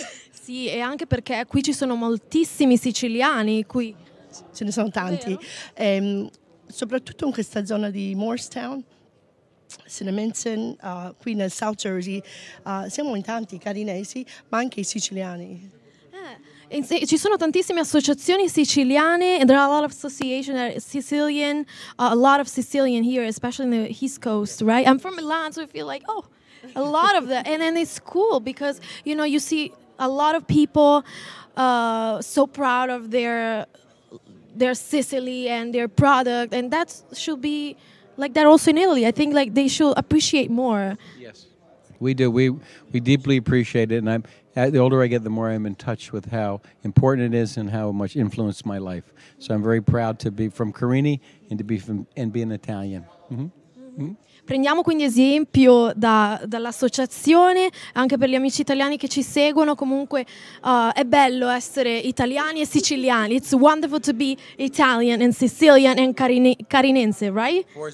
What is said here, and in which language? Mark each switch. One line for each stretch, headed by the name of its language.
Italian: Sì, e anche perché qui ci sono moltissimi siciliani. Qui ce ne sono tanti. Soprattutto in questa zona di Morristown, Cinnaminson, qui nel South Jersey, siamo in tanti carinesi, ma anche i siciliani. Ci sono tantissime associazioni siciliane,
English: and there are a lot of associations that are Sicilian, a lot of Sicilian here, especially in the East Coast, right? I'm from Milan, so I feel like, oh, a lot of that. And then it's cool because, you know, you see a lot of people so proud of their Sicily and their product, and that should be like that also in Italy. I think like they should appreciate more. Yes. We do. We deeply appreciate it. And the older I get, the more I'm in touch with how important it is and how much influenced my life. So I'm very proud to be from Carini and to be from and be an Italian.
Italian: Prendiamo quindi esempio dall'associazione, anche per gli amici italiani che ci seguono. Comunque è bello essere italiani e siciliani.
English: It's wonderful to be Italian and Sicilian and carinense, right?